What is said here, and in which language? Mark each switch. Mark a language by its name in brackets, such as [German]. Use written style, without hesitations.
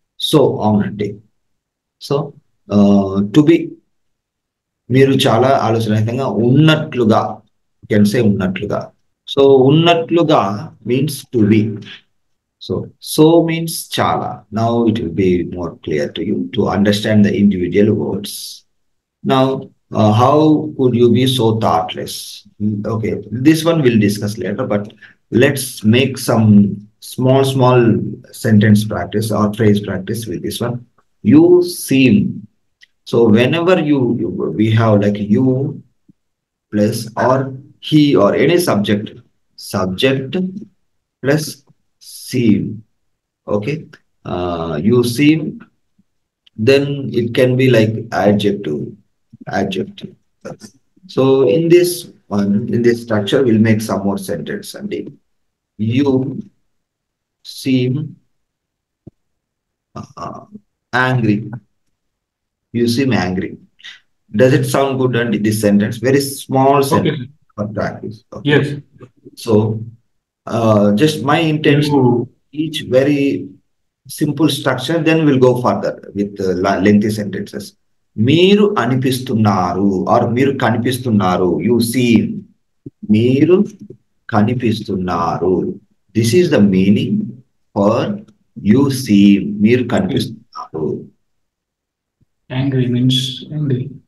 [Telugu] So అవునండి, [English] so to be [Telugu] మీరు చాలా ఆలోచన రహితంగా ఉన్నట్లుగా, కెన్సే ఉన్నట్లుగా. [English] So ఉన్నట్లుగా means to be. So so means చాలా. Now it will be more clear to you to understand the individual words. [Telugu] Now [English] how could you be so thoughtless? Okay, this one we'll discuss later, but let's make some small small sentence practice or phrase practice with this one. You seem, so whenever you we have like you plus or he or any subject, subject plus seem. Okay, you seem, then it can be like adjective, adjective. So in this one, in this structure, we'll make some more sentence. And you seem angry, you seem angry. Does it sound good? And this sentence, very small sentence, okay, for practice. Okay. Yes, so just my intention, each very simple structure, then we'll go further with lengthy sentences. [Telugu] మీరు అనిపిస్తున్నారు are మీరు కనిపిస్తున్నారు, [English] you seem, [Telugu] మీరు కనిపిస్తున్నారు. [English] this is the meaning for you seem, [Telugu] మీరు కనిపిస్తున్నారు. [English] Angry means angry.